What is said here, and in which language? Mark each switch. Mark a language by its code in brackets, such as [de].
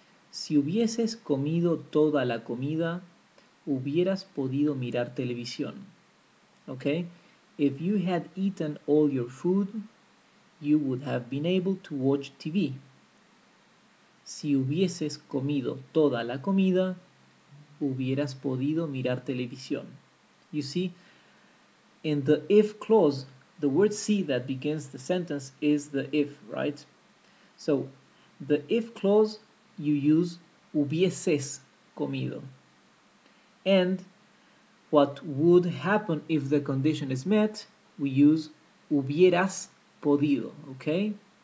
[es] Si hubieses comido toda la comida, hubieras podido mirar televisión. [en] Okay? If you had eaten all your food, you would have been able to watch TV. [es] Si hubieses comido toda la comida, hubieras podido mirar televisión. [en] You see, in the if clause, the word si that begins the sentence is the if, right? So, the if clause, you use [es] hubieses comido. [en] And what would happen if the condition is met, we use [es] hubieras podido, [en] okay?